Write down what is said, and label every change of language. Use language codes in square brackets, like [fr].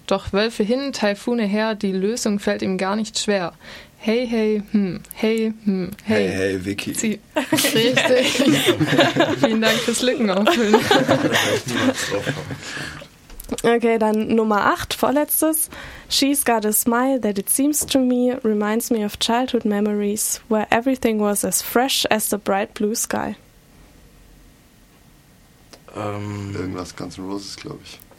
[de] Doch Wölfe hin, Taifune her, die Lösung fällt ihm gar nicht schwer. Hey, hey, hm, hey, hm, hey. Hey, hey, Vicky. Sie. Richtig. Vielen Dank fürs Lücken auffüllen. Okay, dann Nummer 8, vorletztes. [en] She's got a smile that it seems to me reminds me of childhood memories where everything was as fresh as the bright blue sky. [de] Irgendwas ganz Roses, glaube ich.